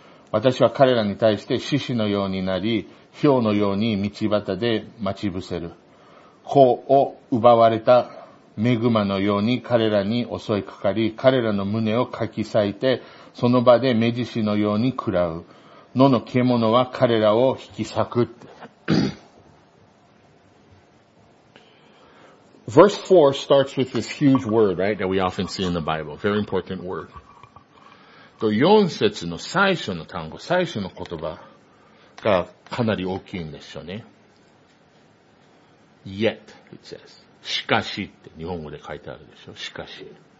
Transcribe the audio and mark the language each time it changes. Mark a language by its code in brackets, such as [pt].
[ja] 私は彼らに対して獅子のようになり、ヒョウのように道端で待ち伏せる。子を奪われたメグマのように彼らに襲いかかり、彼らの胸をかき裂いて、その場で目獅子のように喰らう。野の獣は彼らを引き裂く。 [en] Verse 4 starts with this huge word, right, that we often see in the Bible. Very important word. [ja] と4節の最初の単語、最初の言葉がかなり大きいんですよね。 Yet, it says. しかしって日本語で書いてあるでしょ。しかし。